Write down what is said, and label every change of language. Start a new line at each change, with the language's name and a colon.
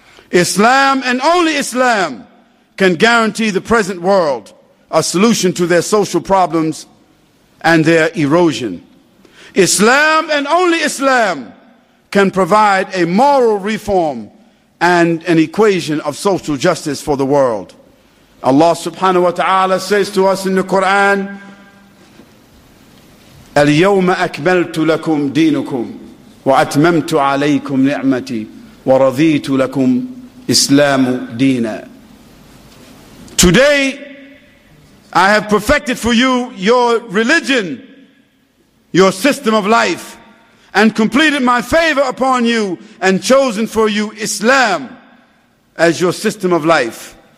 English: Islam, and only Islam, can guarantee the present world a solution to their social problems and their erosion. Islam, and only Islam, can provide a moral reform and an equation of social justice for the world. Allah subhanahu wa ta'ala says to us in the Quran,
Arabic: الْيَوْمَ أَكْمَلْتُ لَكُمْ دِينُكُمْ وَأَتْمَمْتُ عَلَيْكُمْ نِعْمَتِي وَرَضِيتُ لَكُمْ إِسْلَامُ دِينًا.
English: Today, I have perfected for you your religion, your system of life, and completed my favor upon you and chosen for you Islam as your system of life.